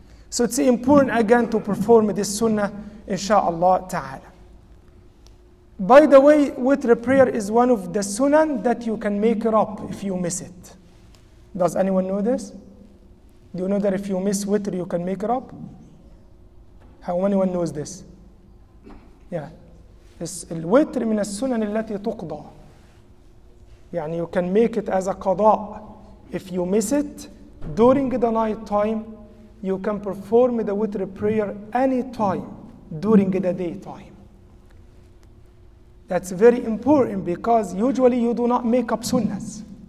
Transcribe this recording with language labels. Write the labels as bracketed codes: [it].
[en] So it's important again to perform this sunnah, inshaAllah ta'ala. By the way, witr prayer is one of the sunan that you can make it up if you miss it. Does anyone know this? Do you know that if you miss witr, you can make it up? How many one knows this? Yeah. It's [ar] الوتر من السنن التي تقضى. يعني [en] you can make it as a قضاء. If you miss it during the night time, you can perform the witr prayer any time during the daytime. That's very important because usually you do not make up sunnahs.